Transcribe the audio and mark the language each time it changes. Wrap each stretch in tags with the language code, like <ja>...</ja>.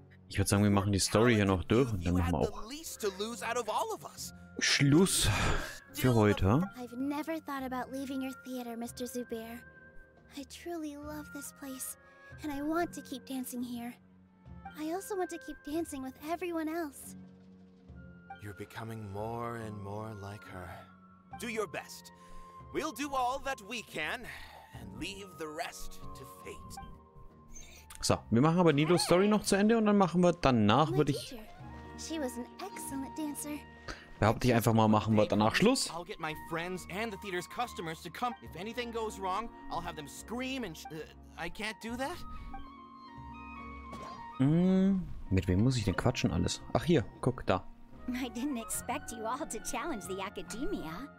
<de>Ich würde sagen, wir machen die Story hier noch durch und dann machen wir auch.</de> <en>To lose out of all of us.</en> <de>Schluss für heute.</de> <en>I've never thought about leaving your theater, Mr. Zubair. I truly love this place and I want to keep dancing here. I also want to keep dancing with everyone else. You're becoming more and more like her. Do your best. We'll do all that we can and leave the rest to fate.</en> <de>So, wir machen aber Nilo's Story noch zu Ende und dann machen wir danach, würde ich...</de> <en>She was an excellent dancer.</en> <de>Behaupte ich einfach mal, machen wir danach Schluss.</de> <en>I'll get my friends and the theater's customers to come. If anything goes wrong, I'll have them scream and I can't do that?</en> <de>Mit wem muss ich denn quatschen alles? Ach hier, guck, da.</de> <en>I didn't expect you all to challenge the academia.</en>